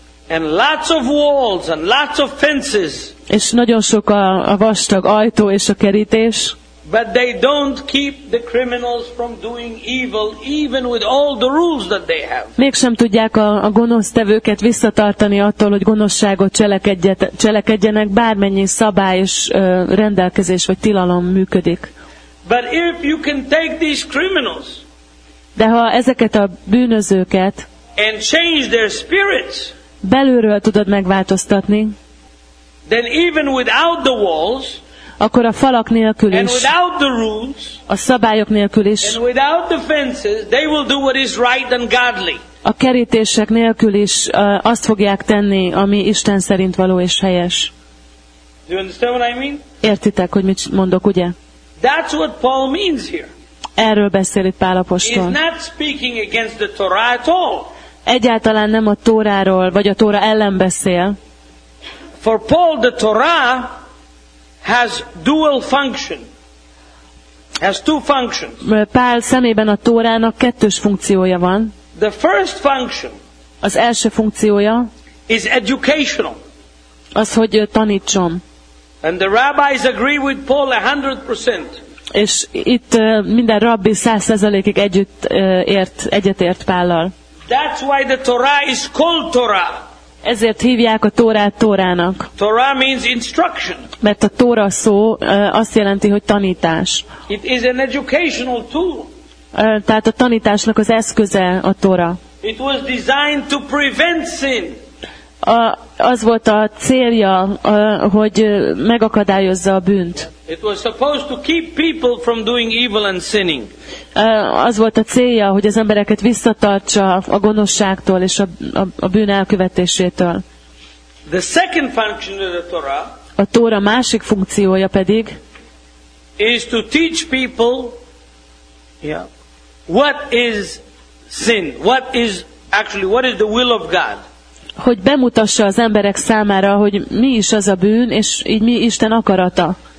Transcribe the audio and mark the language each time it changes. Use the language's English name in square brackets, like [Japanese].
[English] And lots of walls and lots of fences. [Hungarian] És nagyon sok a vastag ajtó és a kerítés. [English] But they don't keep the criminals from doing evil, even with all the rules that they have. [Hungarian] Mégsem tudják a gonosztevőket visszatartani attól, hogy gonoszságot cselekedjenek, bármennyi szabály és rendelkezés vagy tilalom működik. [English] But if you can take these criminals, [Hungarian] de ha ezeket a bűnözőket [English] and change their spirits, [Hungarian] belülről tudod megváltoztatni, [English] then even without the walls, [Hungarian] akkor a falak nélkül is, [English] and without the rules, [Hungarian] a szabályok nélkül is, [English] and without the fences, they will do what is right and godly. [Hungarian] A kerítések nélkül is azt fogják tenni, ami Isten szerint való és helyes. [English] Do you understand what I mean? [Hungarian] Értitek, hogy mit mondok, ugye? [English] That's what Paul means here. [Hungarian] Erről beszél itt Pál apostol. [English] He's not speaking against the Torah at all. [Hungarian] Egyáltalán nem a Tóráról, vagy a Tóra ellen beszél. [English] For Paul, the Torah has dual function, has two functions. [Hungarian] Pál szemében a Tórának kettős funkciója van. [English] The first function, [Hungarian] az első funkciója, [English] is educational, [Hungarian] az, hogy tanítson. [English] And the rabbis agree with Paul 100%. [Hungarian] És itt minden rabbi 100%-ig egyetért Pállal. [English] That's why the Torah is called Torah. [Hungarian] Ezért hívják a Tórát Tórának. [English] Torah means instruction. [Hungarian] Mert a Tóra szó azt jelenti, hogy tanítás. [English] It is an educational tool. [Hungarian] Tehát a tanításnak az eszköze a Tóra. [English] It was designed to prevent sin. [Hungarian] Az volt a célja, hogy megakadályozza a bűnt. [English] It was supposed to keep people from doing evil and sinning. [Hungarian] Az volt a célja, hogy az embereket visszatartsa a gonoszságtól és a bűn elkövetésétől. [English] The second function of the Torah, [Hungarian] a Tóra másik funkciója pedig, [English] is to teach people, yeah, what is sin, what is the will of God. [Hungarian] Hogy bemutassa az emberek számára, hogy mi is az a bűn, és így mi Isten akarata.